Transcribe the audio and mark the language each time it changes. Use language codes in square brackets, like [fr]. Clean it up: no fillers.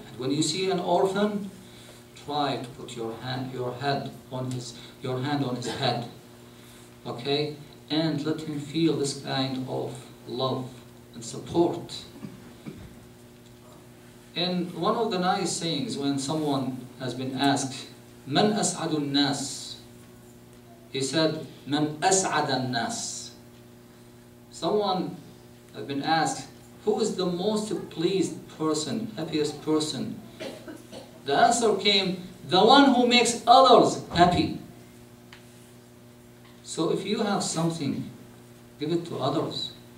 [en] And when you see an orphan, try to put your hand on his head. Okay? And let him feel this kind of love and support. And one of the nice sayings when someone has been asked, [ar] من أسعد الناس? [en] He said, [ar] من أسعد الناس. [en] Someone has been asked, who is the most pleased person, happiest person? The answer came, the one who makes others happy. So if you have something, give it to others.